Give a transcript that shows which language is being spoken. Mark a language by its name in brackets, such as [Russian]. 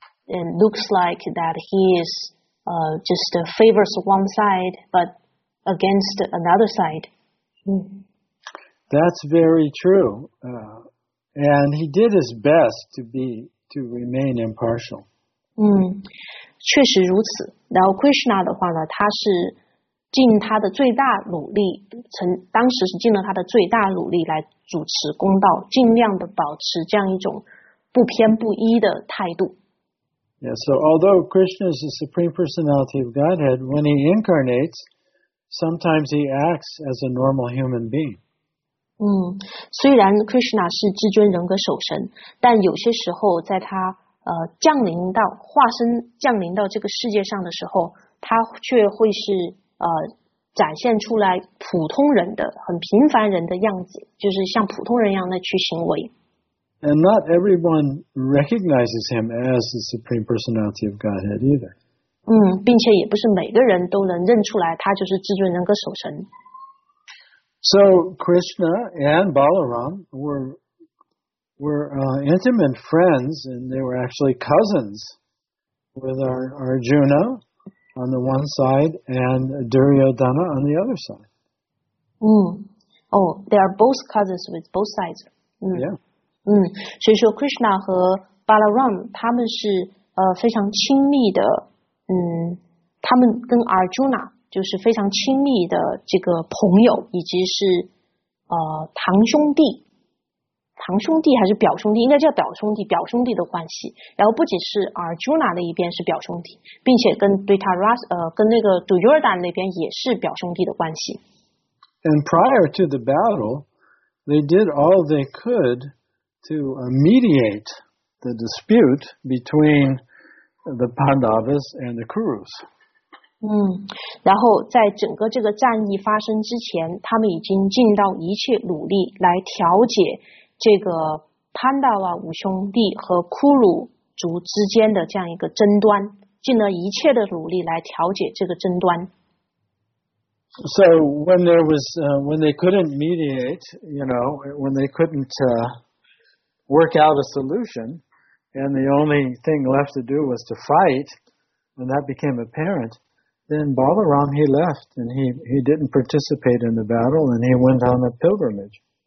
[English] And looks like that he is just favors one side, but against another side. That's very true. And he did his best to remain impartial. [Chinese] 确实如此。然后 Krishna 的话呢，他是尽他的最大努力，当时是尽了他的最大努力来主持公道，尽量的保持这样一种不偏不倚的态度。 [English] Yeah, so although Krishna is the Supreme Personality of Godhead, when he incarnates, sometimes he acts as a normal human being. [Chinese] 虽然 Krishna 是至尊人格守神，但有些时候在他降临到化身降临到这个世界上的时候，他却会是展现出来普通人的很平凡人的样子，就是像普通人一样的去行为。 [English] And not everyone recognizes him as the Supreme Personality of Godhead either. [Chinese] 并且也不是每个人都能认出来他就是至尊人格守神。 [English] So Krishna and Balaram were intimate friends, and they were actually cousins with Arjuna on the one side and Duryodhana on the other side. They are both cousins with both sides. Yeah. [Chinese] 所以说 Krishna 和 Balaram 他们是非常亲密的，他们跟 Arjuna 就是非常亲密的这个朋友，以及是堂兄弟还是表兄弟，应该叫表兄弟的关系。然后不仅是 Arjuna 那一边是表兄弟，并且跟 Dhritarashtra 跟那个 Duryodhana 那边也是表兄弟的关系。 [English] And prior to the battle they did all they couldTo mediate the dispute between the Pandavas and the Kurus. [Chinese] 然后在整个这个战役发生之前，他们已经尽到一切努力来调解这个 Pandava 五兄弟和 Kuru 族之间的这样一个争端，尽了一切的努力来调解这个争端。 [English] So when there was when they couldn't mediate, you know, when they couldn't work out a solution, and the only thing left to do was to fight, and that became apparent, then Balaram, he left, and he didn't participate in the battle, and he went on a pilgrimage.